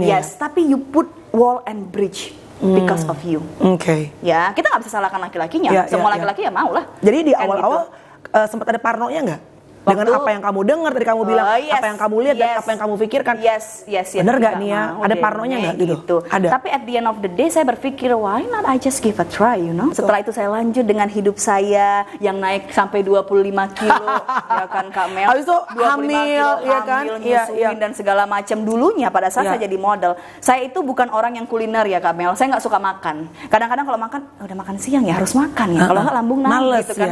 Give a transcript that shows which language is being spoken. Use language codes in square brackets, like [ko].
[en] Yes, tapi you put wall and bridge because of you. Okay. [id] Ya, kita nggak bisa salahkan laki-lakinya. Yeah, semua laki-laki ya mau lah. Jadi di awal-awal sempat ada parno-nya enggak? Dengan apa yang kamu dengar tadi kamu bilang, apa yang kamu lihat dan apa yang kamu pikirkan. [en] Yes, yes, yes. [id] Benar enggak nih ya? Ada parno-nya enggak gitu? Ada. [en] Tapi at the end of the day [id] saya berpikir, [en] why not I just give a try, you know? [id] Setelah itu saya lanjut dengan hidup saya yang naik sampai 25 kilo, ya kan Kak Mel? Habis itu hamil, ya kan? Nyusuin dan segala macam. Dulunya pada saat saya jadi model, saya itu bukan orang yang kuliner ya Kak Mel. Saya enggak suka makan. Kadang-kadang kalau makan, udah makan siang ya harus makan ya. Kalau enggak lambung naik gitu kan.